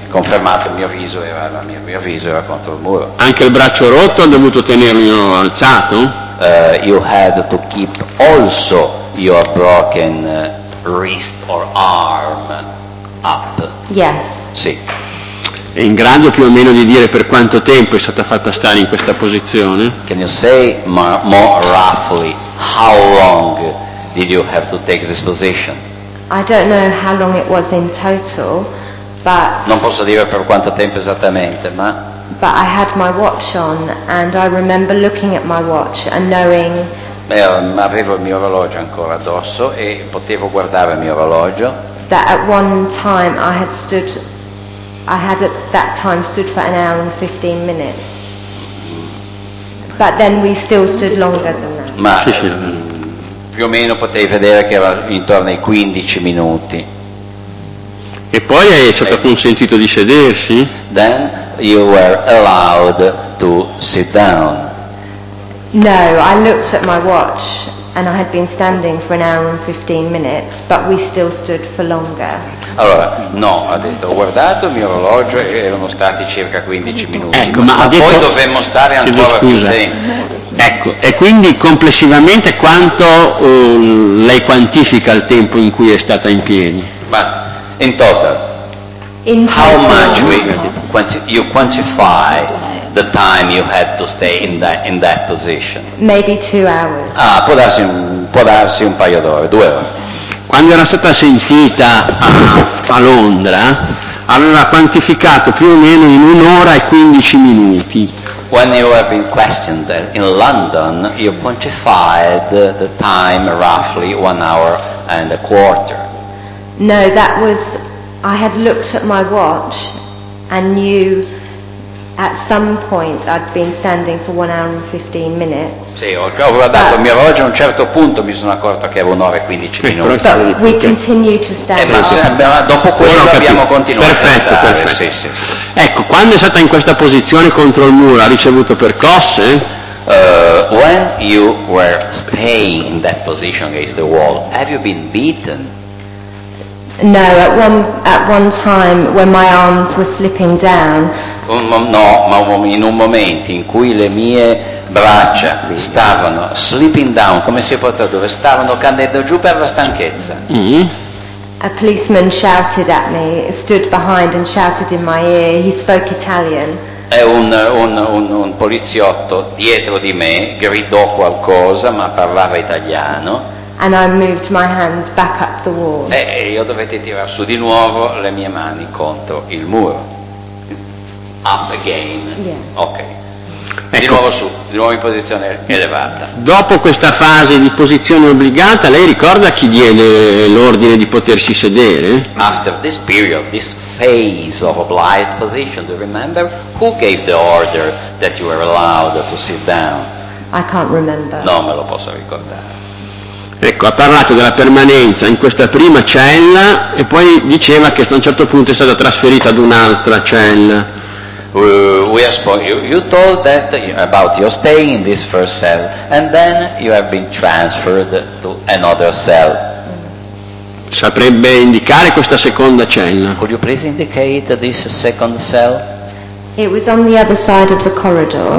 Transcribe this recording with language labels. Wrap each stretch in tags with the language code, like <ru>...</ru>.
<it>Confermato, il mio viso era contro il muro. Anche il braccio rotto ha dovuto tenerlo alzato.</it> <en>You had to keep also your broken wrist or arm up. Yes.</en> <it>Sì. È in grado più o meno di dire per quanto tempo è stata fatta stare in questa posizione?</it> <en>Can you say more roughly how long did you have to take this position? I don't know how long it was in total, but</en> <it>non posso dire per quanto tempo esattamente, ma</it> <en>but I had my watch on and I remember looking at my watch and knowing</en> <it>avevo il mio orologio ancora addosso e potevo guardare il mio orologio.</it> <en>That at one time I had at that time stood for an hour and 15 minutes. But then we still stood longer than that.</en> <it>Ma più o meno potevi vedere che era intorno ai 15 minuti. E poi è stato consentito di sedersi?</it> <en>Then you were allowed to sit down. No, I looked at my watch and I had been standing for an hour and 15 minutes, but we still stood for longer.</en> <it>Allora, no, ha detto, ho guardato il mio orologio e erano stati circa 15 minuti. Ecco, ma poi detto, dovemmo stare ancora più tempo. Ecco, e quindi complessivamente quanto lei quantifica il tempo in cui è stata in piedi?</it> <en>Ma in total. In how total. Much we, you quantify the time you had to stay in that position? Maybe 2 hours.</en> <it>Ah, può darsi un paio d'ore, 2 ore. Quando era stata sentita a Londra, aveva quantificato più o meno in 1 ora e 15 minuti.</it> <en>When you have been questioned in London, you quantified the time roughly 1 hour and a quarter. No, that was, I had looked at my watch and knew At some point I'd been standing for 1 hour and 15 minutes.</en> <it>Sì, ho guardato il mio orologio, a un certo punto mi sono accorto che avevo 9 e 15 minuti.</it> <en>We continue to stand.</en> <it>Dopo quello abbiamo continuato. Perfetto, a stare, perfetto. Sì, sì. Ecco, quando è stata in questa posizione contro il muro, ha ricevuto percosse?</it> <en>When you were staying in that position against the wall, have you been beaten? No, at one time when my arms were slipping down.</en> <it>No, ma in un momento in cui le mie braccia stavano</it> <en>slipping down,</en> <it>come si può dire, dove stavano cadendo giù per la stanchezza.</it> <en>A policeman shouted at me, stood behind and shouted in my ear. He spoke Italian.</en> <it>È un poliziotto dietro di me gridò qualcosa, ma parlava italiano.</it> <en>And I moved my hands back up the wall. E io dovetti tirare su di nuovo le mie mani contro il muro. Up again. Yeah. Ok.</en> <it>Ecco. Di nuovo su, di nuovo in posizione elevata. Dopo questa fase di posizione obbligata, lei ricorda chi diede l'ordine di potersi sedere?</it> <en>After this period, this phase of obliged position, do you remember who gave the order that you were allowed to sit down? I can't remember.</en> <it>Non me lo posso ricordare. Ecco, ha parlato della permanenza in questa prima cella e poi diceva che a un certo punto è stata trasferita ad un'altra cella.</it> <en>You told that about your stay in this first cell and then you have been transferred to another cell.</en> <it>Saprebbe indicare questa seconda cella?</it> <en>Could you please indicate this second cell? It was on the other side of the corridor.</en>